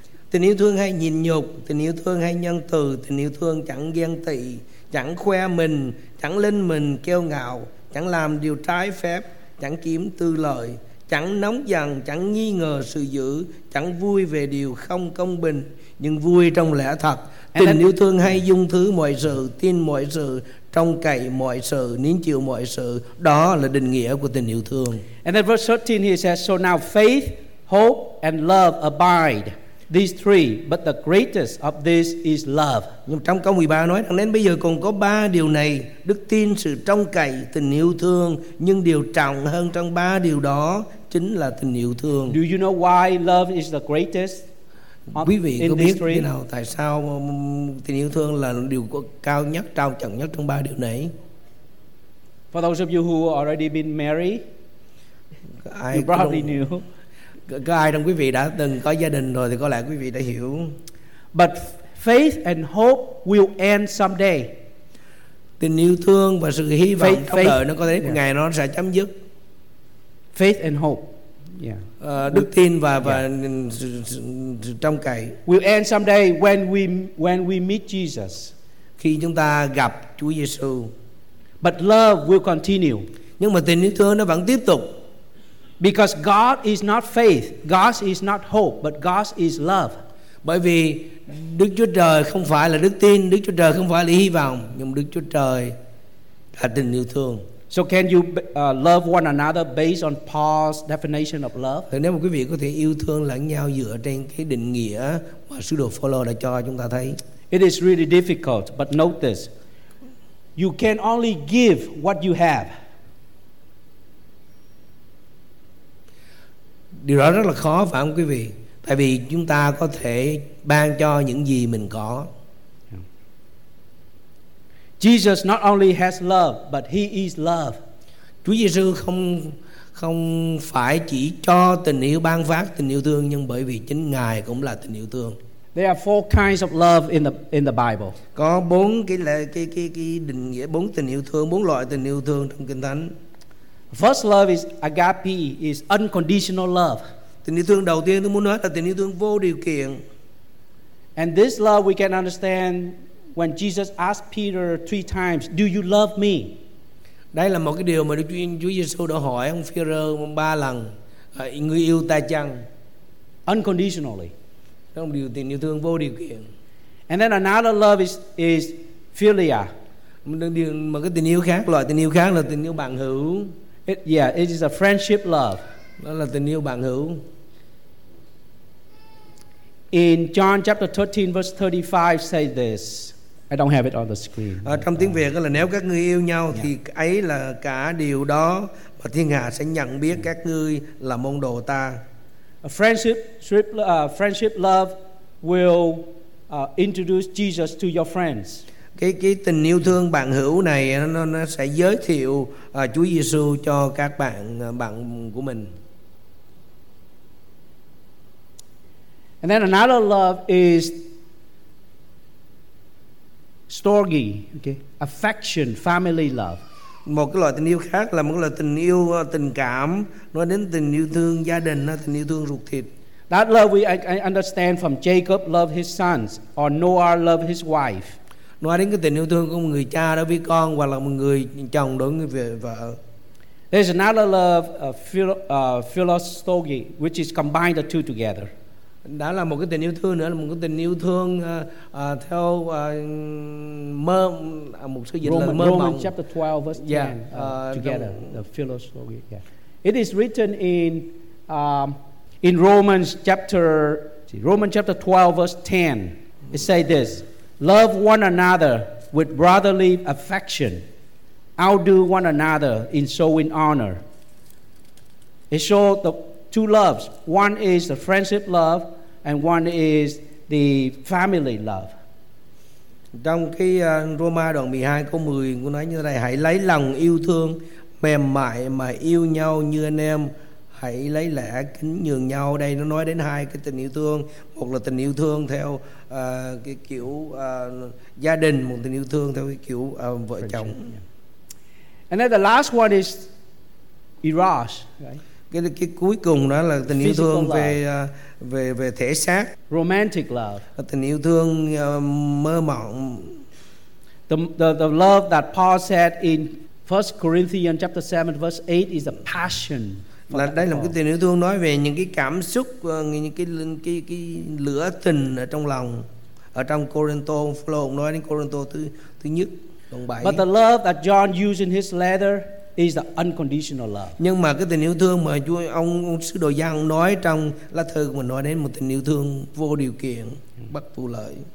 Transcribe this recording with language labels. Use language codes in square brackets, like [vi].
[vi] Tình yêu thương hay nhịn nhục, tình yêu thương hay nhân từ, tình yêu thương chẳng ghen tị, chẳng khoe mình, chẳng lên mình kêu ngạo, chẳng làm điều trái phép, chẳng kiếm tư lợi, chẳng nóng giận, chẳng nghi ngờ sự dữ, chẳng vui về điều không công bình, nhưng vui trong lẽ thật. Tình yêu thương hay dung thứ mọi sự, tin mọi sự, trông cậy mọi sự, nín chịu mọi sự. Đó là định nghĩa của tình yêu thương. [en] And then verse 13 he says, so now faith, hope and love abide. These three, but the greatest of these is love. [vi] Nhưng trong câu 13 nói rằng đến bây giờ còn có ba điều này: đức tin, sự trông cậy, tình yêu thương. Nhưng điều trọng hơn trong ba điều đó chính là tình yêu thương. [en] Do you know why love is the greatest? [vi] Quý vị có biết thế nào tại sao tình yêu thương là điều cao nhất, trao trọng nhất trong ba điều này? [en] For those of you who already been married, you probably knew. [vi] Có ai trong quý vị đã từng có gia đình rồi thì có lẽ quý vị đã hiểu. [en] But faith and hope will end someday. [vi] Tình yêu thương và sự hy vọng trong đời nó có thể một ngày nó sẽ chấm dứt. [en] Faith and hope. Yeah. [vi] Đức tin và sự trông cậy. [en] Will end someday when we meet Jesus. [vi] Khi chúng ta gặp Chúa Giêsu. [en] But love will continue. [vi] Nhưng mà tình yêu thương nó vẫn tiếp tục. [en] Because God is not faith, God is not hope, but God is love. [vi] Bởi vì Đức Chúa Trời không phải là đức tin, Đức Chúa Trời không phải là hy vọng, nhưng Đức Chúa Trời là tình yêu thương. [en] So can you love one another based on Paul's definition of love? [vi] Thì nếu mà quý vị có thể yêu thương lẫn nhau dựa trên cái định nghĩa mà sứ đồ Phaolô đã cho chúng ta thấy. [en] It is really difficult, but notice, you can only give what you have. [vi] Điều đó rất là khó phải không quý vị? Tại vì chúng ta có thể ban cho những gì mình có. [en] Jesus not only has love, but he is love. [vi] Chúa Giêsu không phải chỉ cho tình yêu, ban phát tình yêu thương, nhưng bởi vì chính Ngài cũng là tình yêu thương. [en] There are four kinds of love in the Bible. [vi] Có bốn cái định nghĩa, bốn tình yêu thương, bốn loại tình yêu thương trong Kinh Thánh. [en] First love is agape, is unconditional love. [vi] Tình yêu thương đầu tiên tôi muốn nói là tình yêu thương vô điều kiện. [en] And this love we can understand when Jesus asked Peter three times, "Do you love me?" [vi] Đây là một cái điều mà Đức Chúa Giêsu đã hỏi ông Phi-rơ ba lần, người yêu ta chăng? [en] Unconditionally. [vi] Đó là một điều tình yêu thương vô điều kiện. [en] And then another love is philia. [vi] Một cái tình yêu khác, loại tình yêu khác là tình yêu bạn hữu. [en] It is a friendship love. [vi] Đó là tình yêu bạn hữu. [en] In John chapter 13 verse 35 say this. I don't have it on the screen. [vi] Trong tiếng Việt là nếu các ngươi yêu nhau thì ấy là cả điều đó mà thiên hạ sẽ nhận biết các ngươi là môn đồ ta. [en] Friendship love will introduce Jesus to your friends. [vi] Cái tình yêu thương bạn hữu này nó sẽ giới thiệu Chúa Giêsu cho các bạn bạn của mình. [en] And then another love is storge, okay, affection, family love. [vi] Một cái loại tình yêu khác là một loại tình yêu tình cảm, nói đến tình yêu thương gia đình, tình yêu thương ruột thịt. [en] That love I understand from Jacob loved his sons, or Noah loved his wife. [vi] Nói đến cái tình yêu thương của một người cha đối với con, hoặc là một người chồng đối với vợ. [en] There's another love, philostorge, which is combine the two together. [vi] Đó là một cái tình yêu thương nữa, là một cái tình yêu thương theo mơ, một sự dịch [en] Roman, [vi] là mơ mộng. [en] Romans chapter 12 verse 10, yeah, together, the philosophy. Yeah. It is written in Romans chapter 12 verse 10. It says this: love one another with brotherly affection, outdo one another in showing honor. It shows the two loves. One is the friendship love, and one is the family love. [vi] Trong cái Roma đoạn 12 câu 10 cô nói như thế này: hãy lấy lòng yêu thương mềm mại mà yêu nhau như anh em, hãy lấy lẽ kính nhường nhau. Đây nó nói đến hai cái tình yêu thương, một là tình yêu thương theo cái kiểu gia đình, một tình yêu thương theo cái kiểu vợ chồng. [en] And then the last one is eros, right? [vi] Cái cuối cùng đó là tình physical yêu thương về về thể xác, [en] romantic love, [vi] tình yêu thương mơ mộng, [en] the love that Paul said in 1 Corinthians chapter 7 verse 8 is a passion. [vi] Là đây là một cái tình yêu thương nói về những cái cảm xúc, những cái lửa tình ở trong lòng, ở trong Corinto, nói đến Corinto thứ nhất đoạn 7. [en] But the love that John used in his letter is the unconditional love. [vi] Nhưng mà cái tình yêu thương mà Chúa ông sứ đồ Giăng nói trong lá thư mà nói đến một tình yêu thương vô điều kiện, bất vụ lợi.